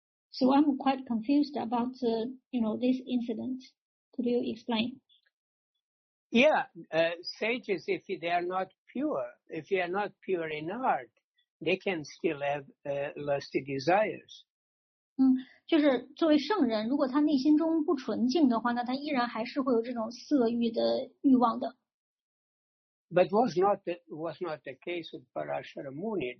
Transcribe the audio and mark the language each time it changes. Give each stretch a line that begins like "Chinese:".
English: So I'm quite confused about, you know, this incident. Could you explain? Yeah, sages, if they are not pure, if they are not pure in heart,They can still have lusty desires.
Chinese: 就是作为圣人，如果他内心中不纯净的话，那他依然还是会有这种色欲的欲望的。
English: But was not the case with Parashara Muni.